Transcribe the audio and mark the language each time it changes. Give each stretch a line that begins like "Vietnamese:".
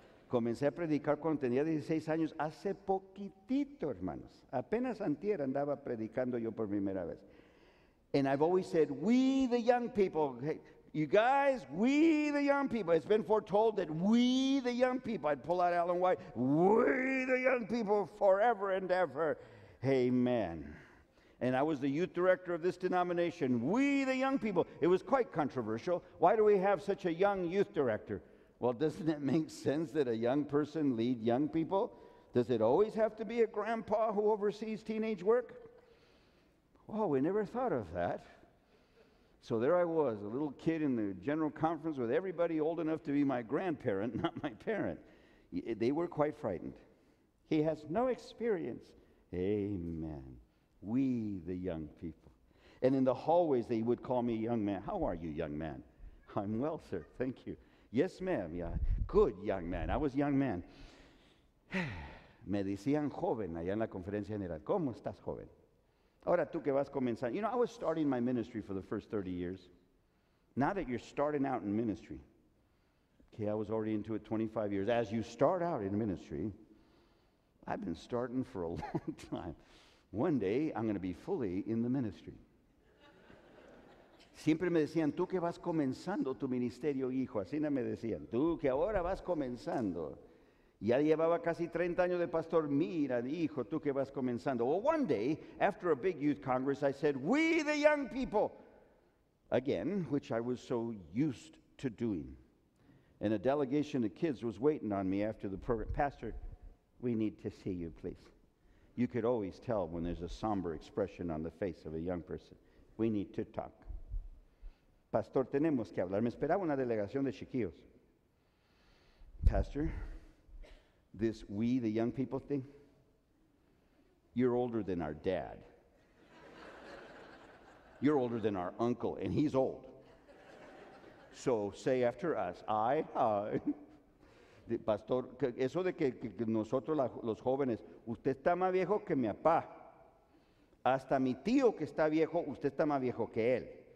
Spanish: Comencé a predicar cuando tenía 16 años, hace poquitito, hermanos. Apenas antier andaba predicando yo por primera vez.
English: And I've always said, we the young people, hey, you guys, we the young people. It's been foretold that we the young people, I'd pull out Alan White, we the young people forever and ever. Amen. And I was the youth director of this denomination, we the young people. It was quite controversial. Why do we have such a young youth director? Well, doesn't it make sense that a young person lead young people? Does it always have to be a grandpa who oversees teenage work? Well, we never thought of that. So there I was, a little kid in the general conference with everybody old enough to be my grandparent, not my parent. They were quite frightened. He has no experience. Amen. We, the young people. And in the hallways, they would call me young man. How are you, young man? I'm well, sir. Thank you. Yes, ma'am. Yeah. Good young man. I was young man.
Spanish: Me decían joven allá en la conferencia general. ¿Cómo estás, joven? Ahora tú que vas comenzando.
English: You know, I was starting my ministry for the first 30 years. Now that you're starting out in ministry, okay, I was already into it 25 years. As you start out in ministry, I've been starting for a long time. One day, I'm going to be fully in the ministry.
Spanish: Siempre me decían, tú que vas comenzando tu ministerio, hijo. Así me decían, tú que ahora vas comenzando. Ya llevaba casi 30 años de pastor. Mira, hijo, tú que vas comenzando.
English: Well, one day, after a big youth congress, I said, we the young people. Again, which I was so used to doing. And a delegation of kids was waiting on me after the program. Pastor, we need to see you, please. You could always tell when there's a somber expression on the face of a young person. We need to talk.
Spanish: Pastor, tenemos que hablar. Me esperaba una delegación de chiquillos.
English: Pastor, this we, the young people thing, you're older than our dad. You're older than our uncle, and he's old. So say after us, I.
Spanish: Pastor, eso de que nosotros los jóvenes, usted está más viejo que mi papá. Hasta mi tío que está viejo, usted está más viejo que él.